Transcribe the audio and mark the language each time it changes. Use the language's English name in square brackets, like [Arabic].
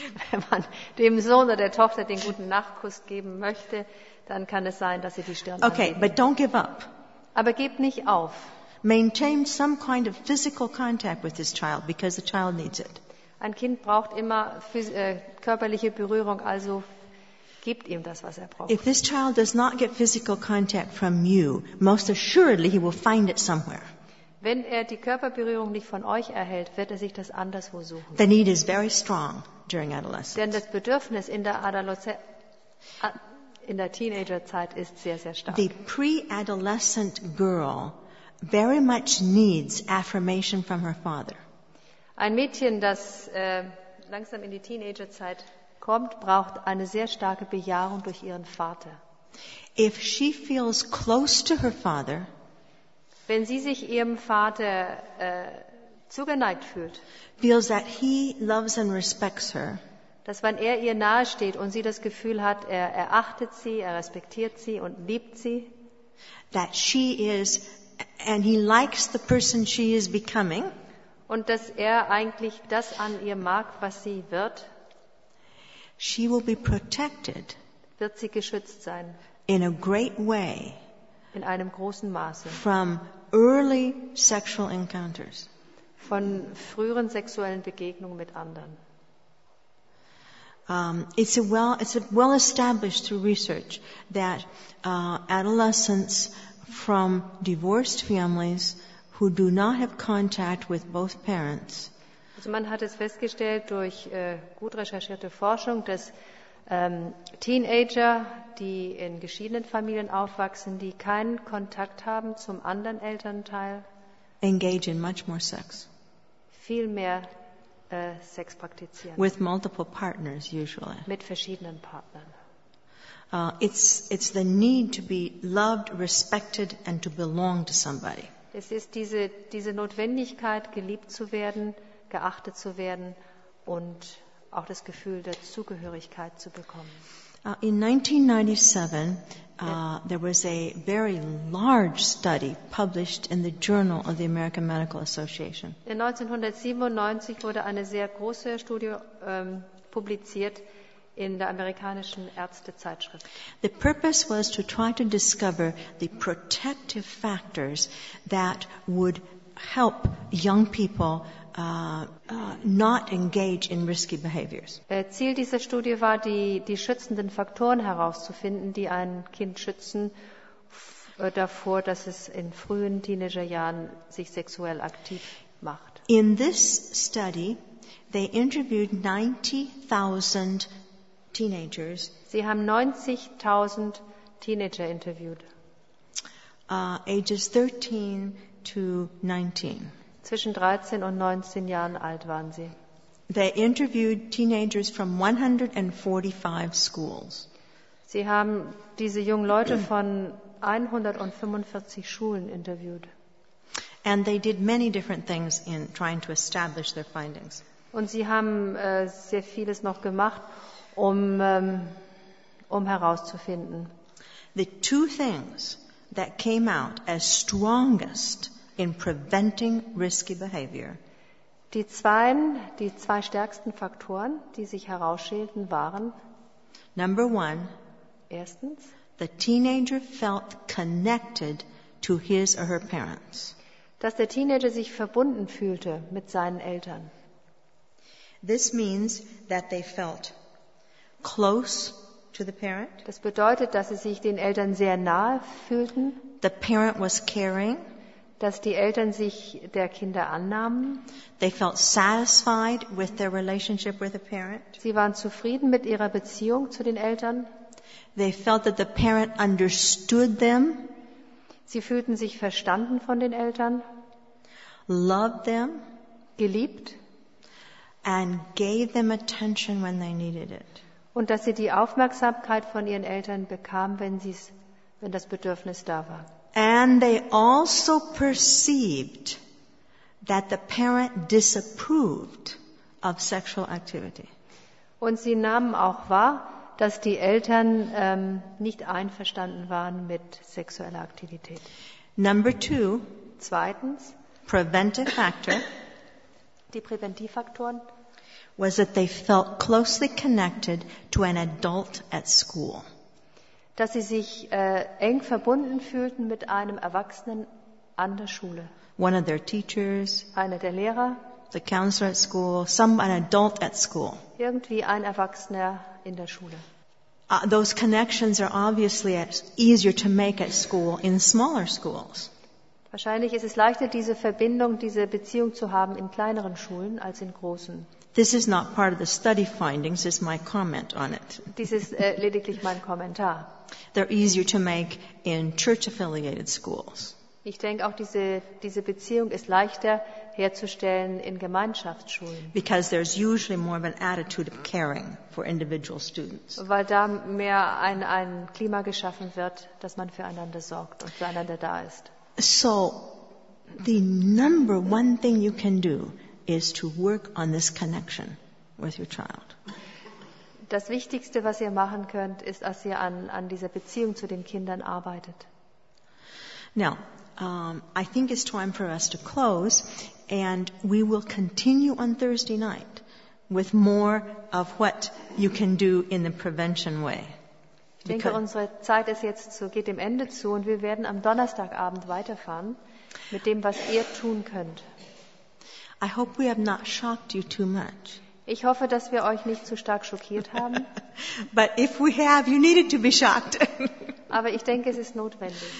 [German] Wenn man dem Sohn oder der Tochter den guten Nachtkuss geben möchte, dann kann es sein, dass sie die Stirn anlegen. [English] Okay, but don't give up. [German] Aber gebt nicht auf. [English] Maintain some kind of physical contact with this child because the child needs it. [German] Ein Kind braucht immer körperliche Berührung, also gebt ihm das, was er braucht. [English] If this child does not get physical contact from you, most assuredly he will find it somewhere. [German] Wenn er die Körperberührung nicht von euch erhält, wird er sich das anderswo suchen. [English] The need is very strong during adolescence. [German] Denn das Bedürfnis in der Teenagerzeit ist sehr, sehr stark. [English] The pre-adolescent girl very much needs affirmation from her father. [German] Ein Mädchen, das langsam in die Teenagerzeit kommt, braucht eine sehr starke Bejahung durch ihren Vater. [English] If she feels close to her father, [German] wenn sie sich ihrem Vater zugeneigt fühlt, [English] feels that he loves and respects her, [German] dass wenn er ihr nahesteht und sie das Gefühl hat, er erachtet sie, er respektiert sie und liebt sie, [English] that she is and he likes the person she is becoming, [German] und dass er eigentlich das an ihr mag, was sie wird, [English] she will be protected, [German] wird sie geschützt sein, [English] in a great way, [German] in einem großen Maße, [English] from early sexual encounters, [German] von früheren sexuellen Begegnungen mit anderen. [English] It's well established through research that adolescents from divorced families who do not have contact with both parents. [German] Also man hat es festgestellt durch gut recherchierte Forschung, dass Teenager, die in geschiedenen Familien aufwachsen, die keinen Kontakt haben zum anderen Elternteil, [English] engage in much more sex. [German] Viel mehr Sex praktizieren. [English] With multiple partners usually. [German] Mit verschiedenen Partnern. [English] It's the need to be loved, respected and to belong to somebody. [German] Es ist diese Notwendigkeit, geliebt zu werden, geachtet zu werden und auch das Gefühl der Zugehörigkeit zu bekommen. [English] In 1997, there was a very large study published in the Journal of the American Medical Association. [German] In 1997 wurde eine sehr große Studie publiziert in der amerikanischen Ärztezeitschrift. [English] The purpose was to try to discover the protective factors that would help young people not engage in risky behaviors. [German] Ziel dieser Studie war, die schützenden Faktoren herauszufinden, die ein Kind schützen davor, dass es in frühen Teenagerjahren sich sexuell aktiv macht. [English] In this study, they interviewed 90,000 teenagers. [German] Sie haben 90,000 Teenager interviewt. [English] Ages 13 to 19. [German] Zwischen 13 und 19 Jahren alt waren sie. [English] They interviewed teenagers from 145 schools. [German] Sie haben diese jungen Leute von 145 Schulen interviewt. [English] And they did many different things in trying to establish their findings. [German] Und sie haben sehr vieles noch gemacht, um herauszufinden. [English] The two things that came out as strongest in preventing risky behavior. [German] Die zwei stärksten Faktoren, die sich herausschälten, waren: [English] Number one. [German] Erstens. [English] The teenager felt connected to his or her parents. [German] Dass der Teenager sich verbunden fühlte mit seinen Eltern. [English] This means that they felt close to the parent. [German] Das bedeutet, dass sie sich den Eltern sehr nahe fühlten. [English] The parent was caring. [German] Dass die Eltern sich der Kinder annahmen. [English] They felt satisfied with their relationship with the parent. [German] Sie waren zufrieden mit ihrer Beziehung zu den Eltern. [English] They felt that the parent understood them. [German] Sie fühlten sich verstanden von den Eltern. [English] Loved them. [German] Geliebt. [English] And gave them attention when they needed it. [German] Und dass sie die Aufmerksamkeit von ihren Eltern bekam, wenn das Bedürfnis da war. [English] And they also perceived that the parent disapproved of sexual activity. [German] Und sie nahmen auch wahr, dass die Eltern nicht einverstanden waren mit sexueller Aktivität. [English] Number two. [German] Zweitens. [English] Preventive factor. [German] Die Präventivfaktoren. [English] Was that they felt closely connected to an adult at school. [German] Dass sie sich eng verbunden fühlten mit einem Erwachsenen an der Schule. [English] One of their teachers. [German] Einer der Lehrer. [English] The counselor at school. An adult at school. [German] Irgendwie ein Erwachsener in der Schule. [English] Those connections are obviously easier to make at school in smaller schools. [German] Wahrscheinlich ist es leichter, diese Verbindung, diese Beziehung zu haben in kleineren Schulen als in großen. [English] This is not part of the study findings, it's my comment on it. [German] Dies ist lediglich mein Kommentar. [English] They're easier to make in church-affiliated schools. [German] Ich denke auch, diese Beziehung ist leichter herzustellen in Gemeinschaftsschulen. [English] Because there's usually more of an attitude of caring for individual students. [German] Weil da mehr ein Klima geschaffen wird, dass man füreinander sorgt und füreinander da ist. [English] So, the number one thing you can do is to work on this connection with your child. [German] Das Wichtigste, was ihr machen könnt, ist, dass ihr an dieser Beziehung zu den Kindern arbeitet. [English] Now, I think it's time for us to close, and we will continue on Thursday night with more of what you can do in the prevention way. [German] Ich denke, unsere Zeit ist jetzt so, geht dem Ende zu, und wir werden am Donnerstagabend weiterfahren mit dem, was ihr tun könnt. [English] I hope we have not shocked you too much. [German] Ich hoffe, dass wir euch nicht zu stark schockiert haben. [English] But if we have, you needed to be shocked. [German] Aber ich denke, es ist notwendig.